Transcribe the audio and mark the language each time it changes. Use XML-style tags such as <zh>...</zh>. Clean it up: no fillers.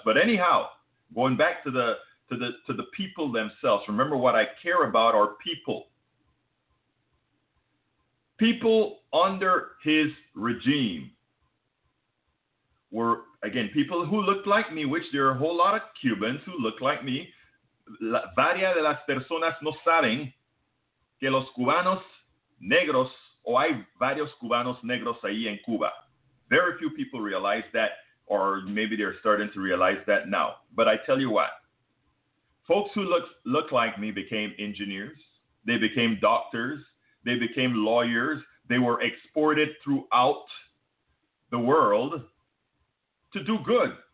<en>But anyhow, going back to the people themselves. Remember, what I care about are people. People under his regime were, again, people who looked like me, which there are a whole lot of Cubans who look like me.</en> <es>Varias de las personas no saben que los cubanos negros, o hay varios cubanos negros ahí en Cuba.</es> <en>Very few people realize that, or maybe they're starting to realize that now. But I tell you what. Folks who look like me became engineers, they became doctors, they became lawyers, they were exported throughout the world to do good.</en>